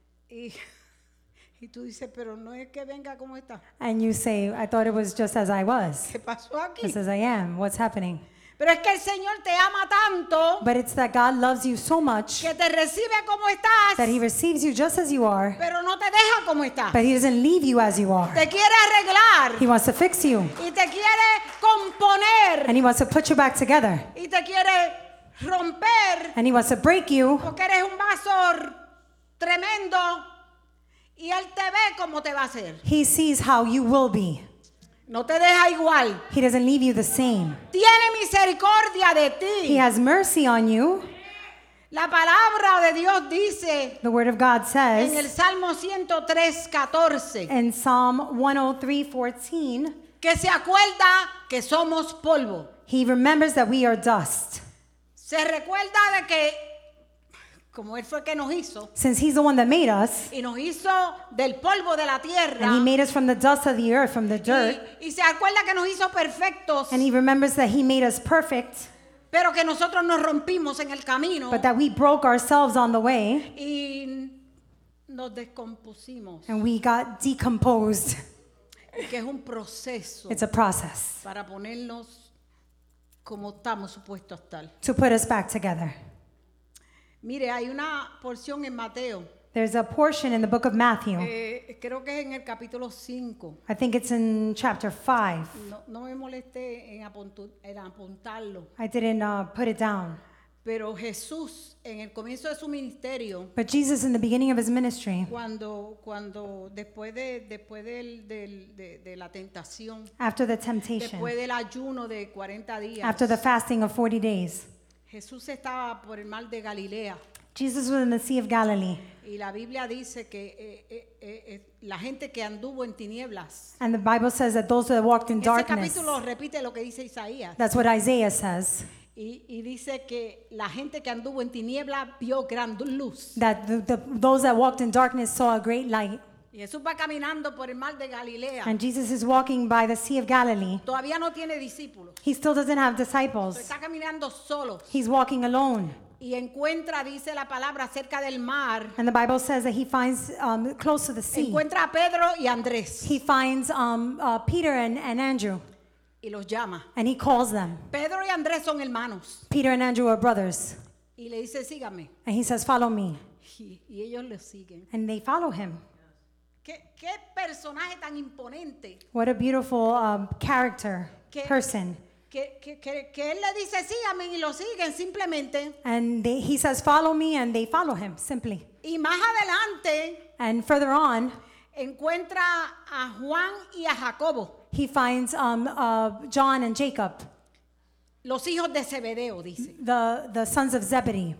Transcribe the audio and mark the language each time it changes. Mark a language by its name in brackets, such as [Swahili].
[Spanish] Y tú dices, pero no es que venga como está. [English] And you say, I thought it was just as I was. [Spanish] ¿Qué pasó aquí? [English] Just as I am. What's happening? [Spanish] Pero es que el Señor te ama tanto. [English] But it's that God loves you so much. [Spanish] Que te recibe como estás. [English] That he receives you just as you are. [Spanish] Pero no te deja como estás. [English] But he doesn't leave you as you are. [Spanish] Te quiere arreglar. [English] He wants to fix you. [Spanish] Y te quiere componer. [English] And he wants to put you back together. [Spanish] Y te quiere romper. [English] And he wants to break you. [Spanish] Porque eres un vaso tremendo. Y él te ve como te va a hacer. [English] He sees how you will be. [Spanish] No te deja igual. [English] He doesn't leave you the same. [Spanish] Tiene misericordia de ti. [English] He has mercy on you. [Spanish] La palabra de Dios dice. [English] The word of God says. [Spanish] En el Salmo 103:14. [English] In Psalm 103:14. [Spanish] Que se acuerda que somos polvo. [English] He remembers that we are dust. [Spanish] Se recuerda de que como él fue que nos hizo. [English] Since he's the one that made us. [Spanish] Y nos hizo del polvo de la tierra. [English] And he made us from the dust of the earth, from the dirt. [Spanish] Y se acuerda que nos hizo perfectos. [English] And he remembers that he made us perfect. [Spanish] Pero que nosotros nos rompimos en el camino. [English] But that we broke ourselves on the way. [Spanish] Y nos descompusimos. [English] And we got decomposed. [Spanish] Que es un proceso. [English] It's a process. [Spanish] Para ponernos como estamos supuestos a estar. [English] To put us back together. [Spanish] Mire, hay una porción en Mateo. [English] There's a portion in the book of Matthew. [Spanish] Creo que es en el capítulo 5. [English] I think it's in chapter 5. [Spanish] No me molesté en apuntarlo. [English] I didn't put it down. [Spanish] Pero Jesús en el comienzo de su ministerio. [English] But Jesus in the beginning of his ministry. [Spanish] Cuando después de la tentación. [English] After the temptation. [Spanish] Después del ayuno de 40 días. [English] After the fasting of 40 days. [Spanish] Jesús estaba por el mar de Galilea. [English] Jesus was in the Sea of Galilee. [Spanish] Y la Biblia dice que la gente que anduvo en tinieblas. [English] And the Bible says that those that walked in darkness. [Spanish] Ese capítulo repite lo que dice Isaías. [English] That's what Isaiah says. [Spanish] Y dice que la gente que anduvo en tinieblas vio gran luz. [English] That those that walked in darkness saw a great light. [Spanish] Y Jesús va caminando por el mar de Galilea. [English] And Jesus is walking by the Sea of Galilee. [Spanish] Todavía no tiene discípulos. [English] He still doesn't have disciples. [Spanish] Está caminando solo. [English] He's walking alone. [Spanish] Y encuentra, dice la palabra, cerca del mar. [English] And the Bible says that he finds close to the sea. [Spanish] Encuentra a Pedro y Andrés. [English] He finds Peter and Andrew. [Spanish] Y los llama. [English] And he calls them. [Spanish] Pedro y Andrés son hermanos. [English] Peter and Andrew are brothers. [Spanish] Y le dice, sígame. [English] And he says, follow me. [Spanish] Y ellos lo siguen. [English] And they follow him. [Spanish] Qué personaje tan imponente. [English] What a beautiful character, person. [Spanish] Que él le dice sígame y lo siguen simplemente. [English] And he says follow me and they follow him simply. [Spanish] Y más adelante. [English] And further on. [Spanish] Encuentra a Juan y a Jacobo. [English] He finds John and Jacob. [Spanish] Los hijos de Zebedeo, dice. [English] The sons of Zebedee.